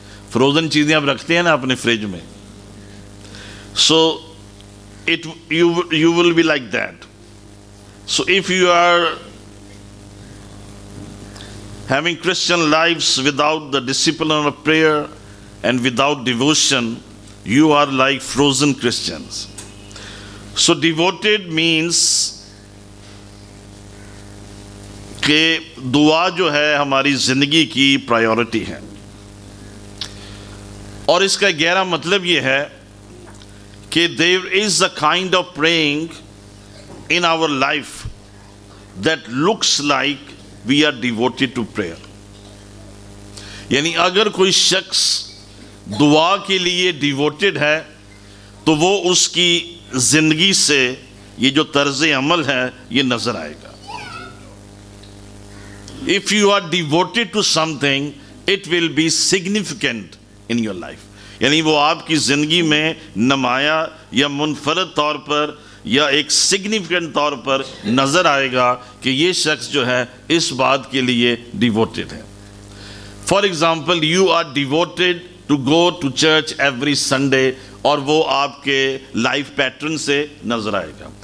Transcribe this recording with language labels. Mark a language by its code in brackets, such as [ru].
[ur] Frozen چیزیں آپ رکھتے ہیں نا اپنے فریج میں, [en] So it you will be like that. So if you are having Christian lives without the discipline of prayer and without devotion, you are like frozen Christians. So devoted means [ur] کہ دعا جو ہے ہماری زندگی کی priority ہے, اور اس کا گہرا مطلب یہ ہے کہ [en] there is a kind of praying in our life that looks like we are devoted to prayer. [ur] یعنی اگر کوئی شخص دعا کے لیے ڈیووٹیڈ ہے تو وہ اس کی زندگی سے یہ جو طرز عمل ہے یہ نظر آئے گا. [en] If you are devoted to something, it will be significant in your life. [ur] یعنی وہ آپ کی زندگی میں نمایاں یا منفرد طور پر یا ایک سگنیفیکنٹ طور پر نظر آئے گا کہ یہ شخص جو ہے اس بات کے لیے ڈیووٹیڈ ہے. [en] for example you are devoted to go to church every Sunday, [ur] اور وہ آپ کے لائف پیٹرن سے نظر آئے گا.